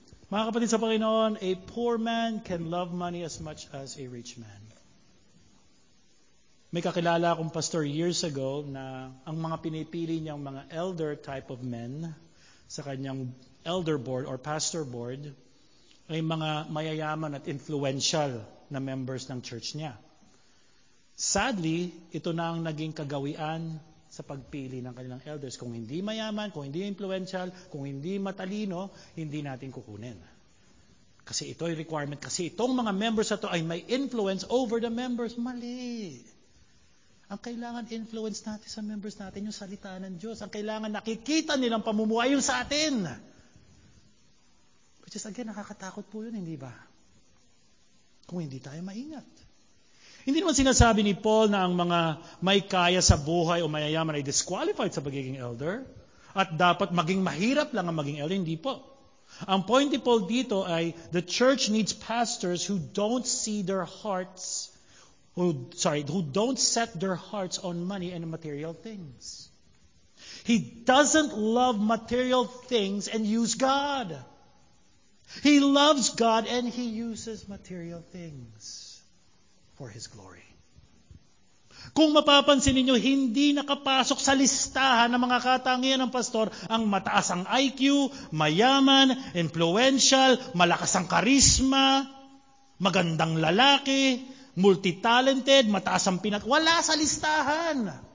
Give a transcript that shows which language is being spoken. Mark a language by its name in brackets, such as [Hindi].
[English] Mga kapatid sa Panginoon, a poor man can love money as much as a rich man. [Filipino] May kakilala akong pastor years ago na ang mga pinipili niyang mga elder type of men sa kanyang elder board or pastor board ay mga mayayaman at influential na members ng church niya. Sadly, ito na ang naging kagawian sa pagpili ng kanilang elders. Kung hindi mayaman, kung hindi influential, kung hindi matalino, hindi natin kukunin. Kasi ito ay requirement. Kasi itong mga members na ito ay may influence over the members. Mali! Ang kailangan influence natin sa members natin, yung salita ng Diyos. Ang kailangan nakikita nilang pamumuhay yung sa atin. Which is again, nakakatakot po yun, hindi ba? Kung hindi tayo maingat. Hindi naman sinasabi ni Paul na ang mga may kaya sa buhay o mayayaman ay disqualified sa pagiging elder at dapat maging mahirap lang ang maging elder. Hindi po. [English] Ang point ni Paul dito ay the church needs pastors who don't see their hearts who don't set their hearts on money and material things. He doesn't love material things and use God. He loves God and he uses material things for his glory. [Filipino] Kung mapapansin ninyo, hindi nakapasok sa listahan ng mga katangian ng pastor ang mataas ang IQ, mayaman, influential, malakas ang karisma, magandang lalaki, multi-talented, mataas ang wala sa listahan.